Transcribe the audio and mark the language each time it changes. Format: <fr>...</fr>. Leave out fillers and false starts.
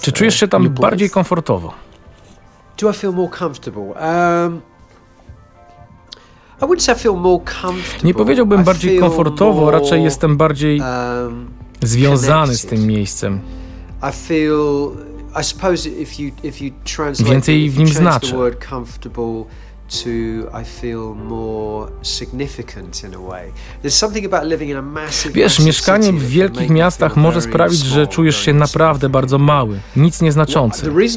<pl>Czy czujesz się tam bardziej komfortowo?</pl> <en>Do I feel more comfortable? I wouldn't say I feel more comfortable.</en> <pl>Nie powiedziałbym bardziej komfortowo, raczej jestem bardziej związany z tym miejscem.</pl> <en>I feel, I suppose if you translate</en> <pl>więcej w nim znaczy.</pl> <en>The word comfortable to, I feel, more significant in a way. There's something about living in a massive city.</en> <pl>Wiesz, mieszkanie w wielkich miastach może sprawić, że czujesz się naprawdę bardzo mały, nic nieznaczący.</pl>